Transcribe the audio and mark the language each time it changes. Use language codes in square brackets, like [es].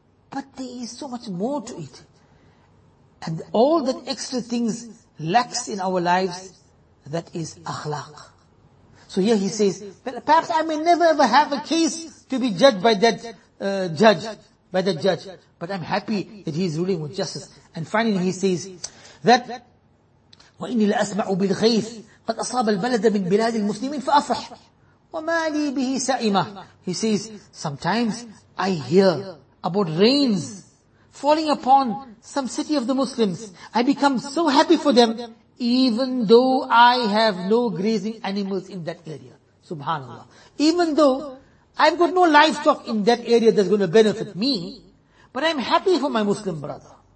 [en] But there is so much more to it. And all that extra things lacks in our lives, that is akhlaq. So here he says, perhaps I may never ever have a case to be judged by that judge. But I'm happy that he is ruling with justice. And finally he says that, [ar] وَإِنِّي لَأَسْمَعُ بِالْغَيْثِ قَدْ أَصَابَ الْبَلَدَ مِنْ بِلَادِ الْمُسْلِمِينَ فَأَفْرَحْ وَمَا لِي بِهِ سَائِمَةً. [en] He says, sometimes I hear about rains falling upon some city of the Muslims. I become so happy for them, even though I have no grazing animals in that area. Subhanallah. Even though I've got no livestock in that area that's going to benefit me, but I'm happy for my Muslim brother.